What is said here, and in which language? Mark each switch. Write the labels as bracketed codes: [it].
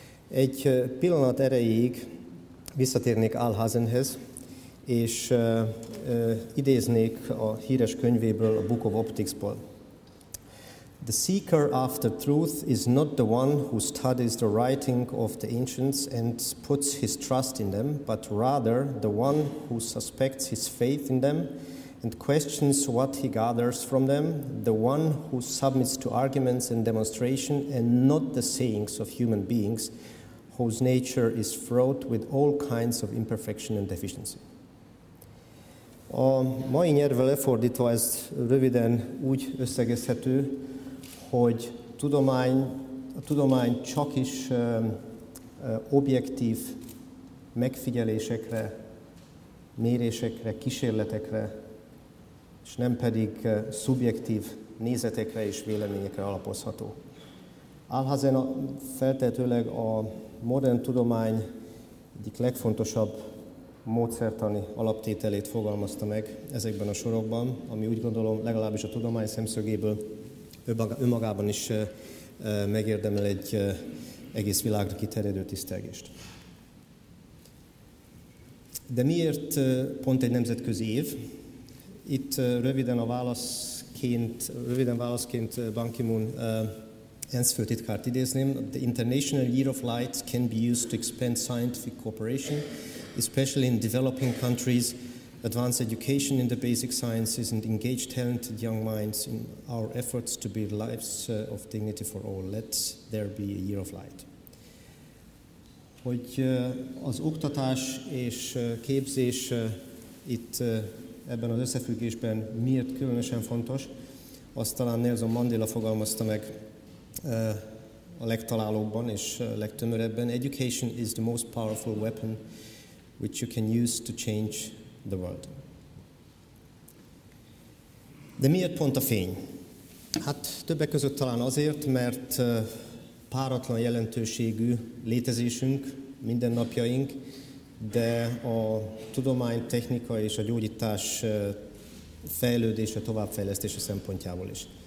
[hu] Egy pillanat erejéig visszatérnék Alhazenhez, és idéznék a híres könyvéből, a Book of Optics-ból. [en] The seeker after truth is not the one who studies the writing of the ancients and puts his trust in them, but rather the one who suspects his faith in them and questions what he gathers from them, the one who submits to arguments and demonstration and not the sayings of human beings whose nature is fraught with all kinds of imperfection and deficiency. [hu] A mai nyelvre lefordítva ez röviden úgy összegezhető, hogy a tudomány csak is objektív megfigyelésekre, mérésekre, kísérletekre, és nem pedig szubjektív nézetekre és véleményekre alapozható. Alhazen feltehetőleg a modern tudomány egyik legfontosabb módszertani alaptételét fogalmazta meg ezekben a sorokban, ami úgy gondolom legalábbis a tudomány szemszögéből önmagában is megérdemel egy egész világra kiterjedő tisztelgést. De miért pont egy nemzetközi év? Itt röviden válaszként Ban Ki-moon ENSZ főtitkárt idézném. [en] The International Year of Light can be used to expand scientific cooperation, especially in developing countries, advance education in the basic sciences and engage talented young minds in our efforts to build lives of dignity for all. Let there be a year of light. [hu] hogy az oktatás és képzés itt ebben az összefüggésben miért különösen fontos, azt talán Nelson Mandela fogalmazta meg a legtalálóbban és legtömörebben. [en] Education is the most powerful weapon which you can use to change the world. [hu] De miért pont a fény? Hát többek között talán azért, mert páratlan jelentőségű létezésünk, mindennapjaink, de a tudomány, technika és a gyógyítás fejlődése, továbbfejlesztése szempontjából is.